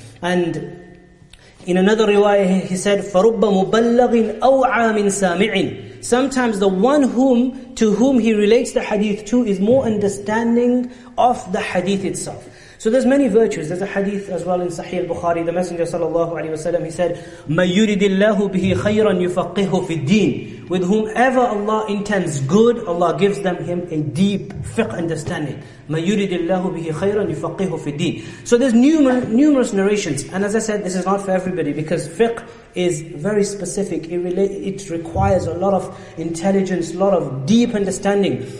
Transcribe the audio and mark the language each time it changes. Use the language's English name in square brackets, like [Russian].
[English] And in another riwayah he said, [Arabic] فَرُبَّ مُبَلَّغٍ أَوْعَى مِنْ سَامِعٍ. [English] Sometimes the one to whom he relates the hadith to is more understanding of the hadith itself. So there's many virtues. There's a hadith as well in Sahih al-Bukhari. The Messenger sallallahu alaihi wasallam, he said, [Arabic] مَن يُرِدِ اللَّهُ بِهِ خَيْرًا يُفَقِّهُ فِي الدِّينِ. [English] With whomever Allah intends good, Allah gives him a deep fiqh understanding. [Arabic] مَن يُرِدِ اللَّهُ بِهِ خَيْرًا يُفَقِّهُ فِي الدِّينِ. [English] So there's numerous narrations. And as I said, this is not for everybody, because fiqh is very specific. It requires a lot of intelligence, a lot of deep understanding.